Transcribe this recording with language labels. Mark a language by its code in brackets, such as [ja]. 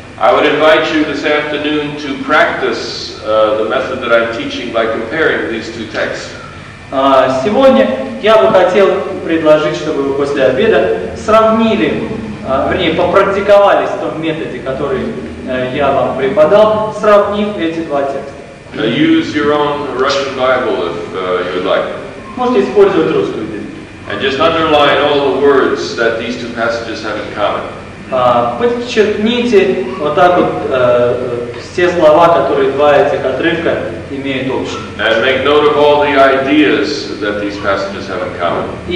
[en] I would invite you this afternoon to practice the method that I'm teaching by comparing these two texts. [ru] Сегодня я бы хотел предложить, чтобы вы после обеда сравнили, вернее, попрактиковались в том методе, который я вам преподал, сравнив эти два текста. [en] Use your own Russian Bible, if you would like. [ru] Можете использовать русскую Библию. [en] And just underline all the words that these two passages have in common. [ru] Подчеркните вот так вот все слова, которые два этих отрывка имеют общие. [en] And make note of all the ideas that these passages have in common.